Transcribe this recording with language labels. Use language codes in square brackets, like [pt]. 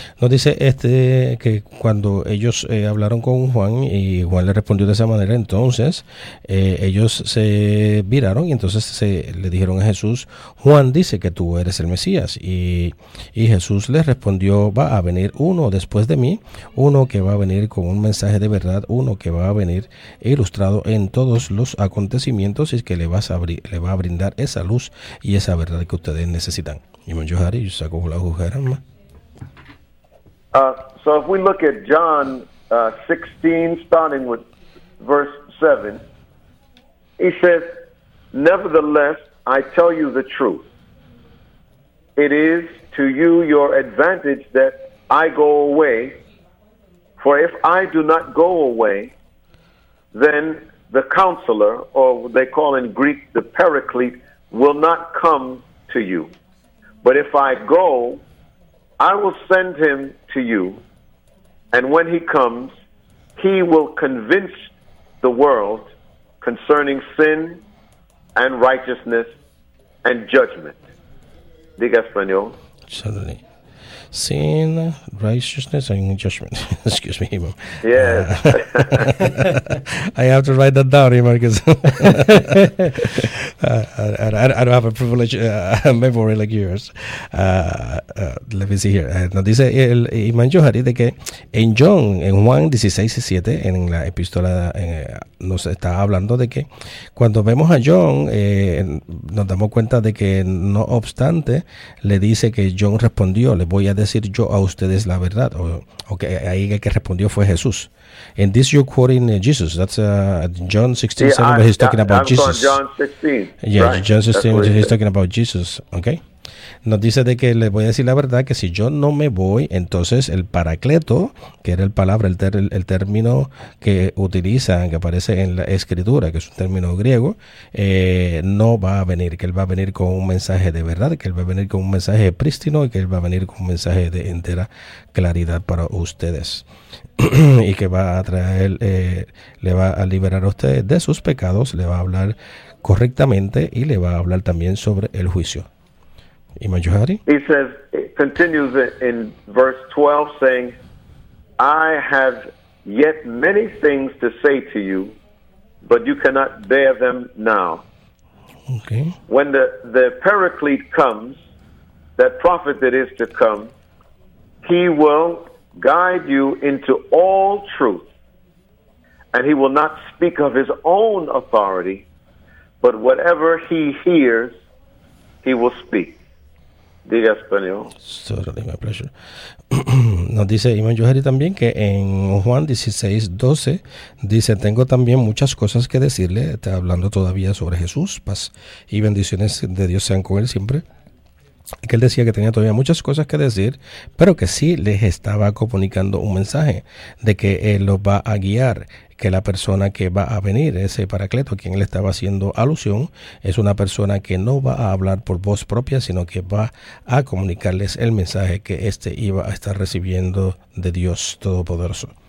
[es] Nos dice que cuando ellos hablaron con Juan y Juan le respondió de esa manera, entonces ellos se viraron y entonces se le dijeron a Jesús, Juan dice que tú eres el Mesías, y Jesús les respondió, va a venir uno después de mí, uno que va a venir con un mensaje de verdad, uno que va a venir ilustrado en todos los acontecimientos y que le va a brindar esa luz y esa verdad que ustedes necesitan. Y Imam Johari, yo saco la agujera. [en] So if we look at John 16, starting with verse 7, he says, nevertheless, I tell you the truth. It is to you your advantage that I go away, for if I do not go away, then the counselor, or what they call in Greek the paraclete, will not come to you. But if I go, I will send him to you, and when he comes, he will convince the world concerning sin and righteousness and judgment. [es] Diga español. [en] Suddenly. Sin righteousness and judgment. Excuse me, Imam. Yeah. I have to write that down, Imam, because I don't have a privilege memory like yours. Let me see here. [es] Nos dice el Imam Johari de que en John, en Juan 16:7, en la epístola, nos está hablando de que cuando vemos a John, nos damos cuenta de que no obstante, le dice que John respondió, le voy a decir yo a ustedes la verdad, o que ahí el que respondió fue Jesús. [en] And this you're quoting Jesus, that's John 16, yeah, 7, but he's talking about I'm Jesus. John 16. Yeah, right. John 16, he's said. Talking about Jesus, okay? [es] Nos dice de que le voy a decir la verdad, que si yo no me voy, entonces el paracleto, que era el palabra, el término que utilizan, que aparece en la escritura, que es un término griego, no va a venir, que él va a venir con un mensaje de verdad, que él va a venir con un mensaje prístino y que él va a venir con un mensaje de entera claridad para ustedes. Y que va a traer, le va a liberar a ustedes de sus pecados, le va a hablar correctamente y le va a hablar también sobre el juicio. [en] Imam Johari. He says, it continues in verse 12, saying, I have yet many things to say to you, but you cannot bear them now. Okay. When the paraclete comes, that prophet that is to come, he will guide you into all truth, and he will not speak of his own authority, but whatever he hears, he will speak. [es] Diga español. [en] Certainly, my pleasure. [es] Nos dice Imam Johari también que en Juan 16:12 dice, tengo también muchas cosas que decirle, está hablando todavía sobre Jesús, paz y bendiciones de Dios sean con él siempre. que él decía que tenía todavía muchas cosas que decir, pero que sí les estaba comunicando un mensaje de que él los va a guiar, que la persona que va a venir, ese paracleto a quien él estaba haciendo alusión, es una persona que no va a hablar por voz propia, sino que va a comunicarles el mensaje que éste iba a estar recibiendo de Dios Todopoderoso.